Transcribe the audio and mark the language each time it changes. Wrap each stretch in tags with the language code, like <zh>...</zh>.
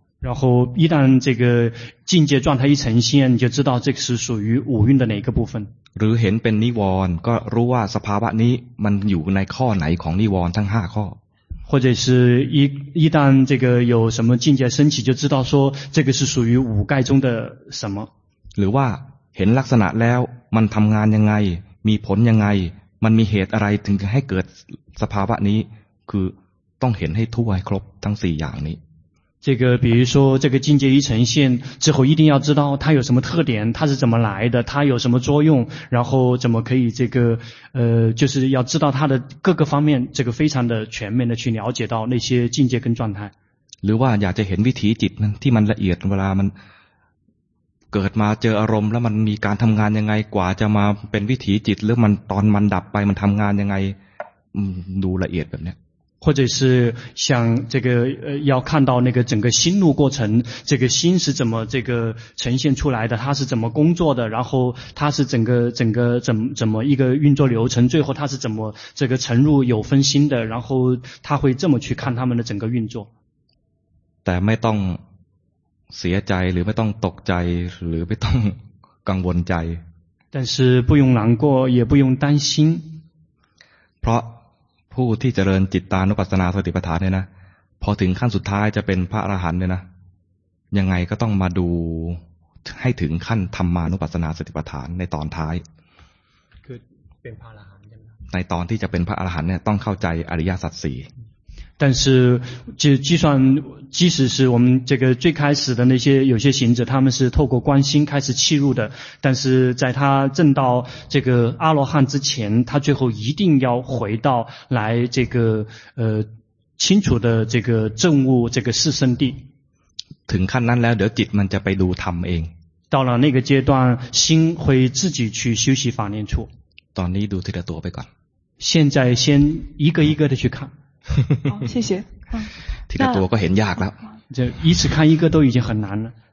<zh>然后一旦这个境界状态一呈现就知道这是属于五蕴的哪个部分</zh> <th>หรือเห็นเป็นนิวรณ์ก็รู้ว่าสภาวะนี้มันอยู่ในข้อไหนของนิวรณ์ทั้ง5ข้</th> <zh>อ或者是一旦这个有什么境界升起就知道说这个是属于五盖中的什么</zh> <th>หรือว่าเห็นลักษณะแล้วมันทำงานยังไงมีผลยังไงมันมีเหตุอะไรถึงให้เกิดสภาวะนี้คือต้องเห็นให้ทั่วให้ครบทั้ง4อย่างนี้</th> <zh>这个比如说这个境界一呈现之后一定要知道它有什么特点它是怎么来的它有什么作用然后怎么可以这个就是要知道它的各个方面这个非常的全面的去了解到那些境界跟状态</zh> <th>หรือว่าอยากจะเห็นวิถีจิตนั้นที่มันละเอียดเวลามันเกิดมาเจออารมณ์แล้วมันมีการทำงานยังไงกว่าจะมาเป็นวิถีจิตหรือมันตอนมันดับไปมันทำงานยังไงดูละเอียดแบบนี้</th> <zh>或者是想这个要看到那个整个心路过程这个心是怎么这个呈现出来的它是怎么工作的然后它是整个怎么一个运作流程最后它是怎么这个沉入有分心的然后它会这么去看他们的整个运作</zh> <th>แต่ไม่ต้องเสียใจหรือไม่ต้องตกใจหรือไม่ต้องกังวลใจ</th> <zh>但是不用难过也不用担心</zh> <th>เพราะผู้ที่เจริญจิตตานุปัสสนาสติปัฏฐานเนี่ยนะพอถึงขั้นสุดท้ายจะเป็นพระอรหันต์เนี่ยนะยังไงก็ต้องมาดูให้ถึงขั้นธรรมานุปัสสนาสติปัฏฐานในตอนท้าย คือเป็นพระอรหันต์ใช่มั้ยในตอนที่จะเป็นพระอรหันต์เนี่ยต้องเข้าใจอริยสัจ4</th> <zh>但是即使是我们这个最开始的那些有些行者他们是透过观心开始契入的但是在他证到这个阿罗汉之前他最后一定要回到来这个清楚的这个证悟这个四圣谛</zh> <th>ถึงขั้นนั้นแล้วเดี๋ยวจิตมันจะไปดูธรรมเอง</th> <zh>到了那个阶段心会自己去休息法念处</zh> <th>ตอนนี้ดูทีละตัวไปก่อน</th> <zh>现在先一个一个的去看好、哦、谢谢</zh> <th>ทีละตัวก็เห็นยากแล้ว</th> <zh>就一次看一个都已经很难了</zh>